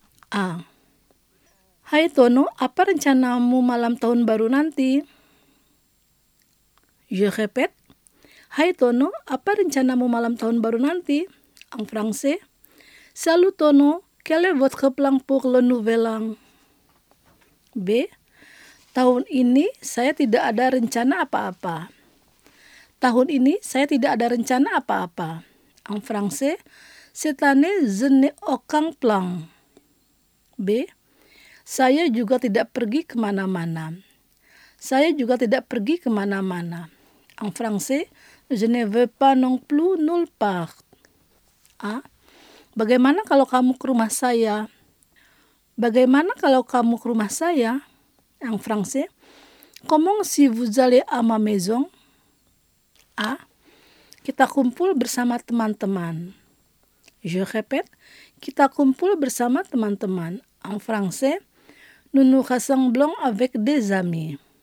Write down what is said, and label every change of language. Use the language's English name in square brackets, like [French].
[Indonesian] A. Hai Tono, apa rencanamu malam tahun baru nanti? [French] Je répète. [Indonesian] Hai Tono, apa rencanamu malam tahun baru nanti? [French] En français. Salut Tono, quel est votre plan pour le nouvel an? B. [Indonesian] Tahun ini saya tidak ada rencana apa-apa. Tahun ini saya tidak ada rencana apa-apa. [French] En français. Cette année, je n'ai aucun plan. B. [Indonesian] Saya juga tidak pergi kemana-mana. Saya juga tidak pergi kemana-mana. [French] En français. Je ne veux pas non plus nulle part. A. [Indonesian] Bagaimana kalau kamu ke rumah saya? Bagaimana kalau kamu ke rumah saya? [French] En français. Comment si vous allez à ma maison? [Indonesian] A. Kita kumpul bersama teman-teman. [French] Je répète. [Indonesian] Kita kumpul bersama teman-teman. [French] En français. Nous nous rassemblons avec des amis.